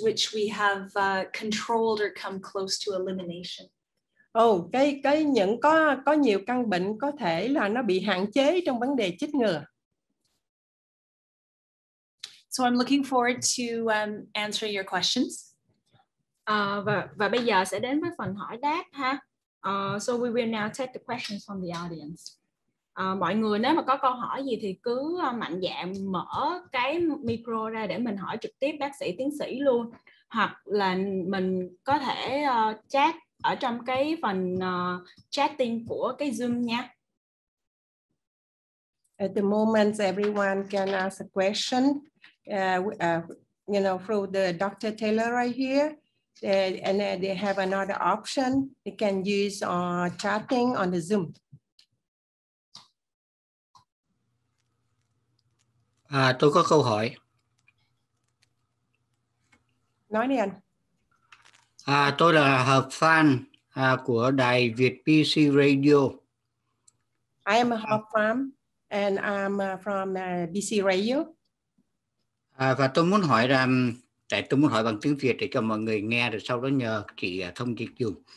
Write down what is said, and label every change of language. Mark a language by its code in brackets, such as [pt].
[en] which we have controlled or come close to elimination. [vi] Oh, cái những có nhiều căn bệnh có thể là nó bị hạn chế trong vấn đề chích ngừa. [en] So I'm looking forward to answering your questions. [vi] Và bây giờ sẽ đến với phần hỏi đáp ha. [en] So we will now take the questions from the audience. [vi] Mọi người nếu mà có câu hỏi gì thì cứ mạnh dạn mở cái micro ra để mình hỏi trực tiếp bác sĩ tiến sĩ luôn. Hoặc là mình có thể chat ở trong cái phần chatting của cái Zoom nha. [en] At the moment, everyone can ask a question, you know, through the Dr. Taylor right here. And they have another option. They can use chatting on the Zoom. [vi] À, tôi có câu hỏi. Nói đi anh. À, tôi là hợp fan của đài Việt PC Radio. [en] I am a hợp fan and I'm from PC Radio. [vi] À, và tôi muốn hỏi rằng, tại tôi muốn hỏi bằng tiếng Việt để cho mọi người nghe rồi sau đó nhờ chị thông dịch dùng.